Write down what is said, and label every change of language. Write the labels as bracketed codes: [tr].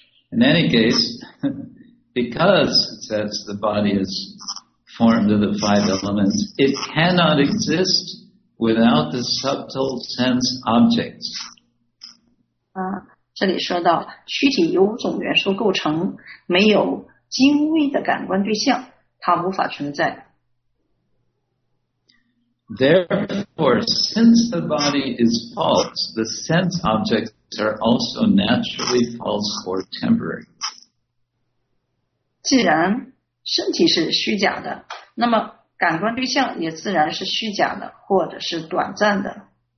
[en] In any case, because it says the body is formed of the five elements, it cannot exist without the subtle sense objects. [zh] 这里说到躯体由五种元素构成，没有精微的感官对象，它无法存在。 [en] Therefore, since the body is false, the sense objects are also naturally false or temporary. [zh] 既然身体是虚假的，那么感官对象也自然是虚假的，或者是短暂的。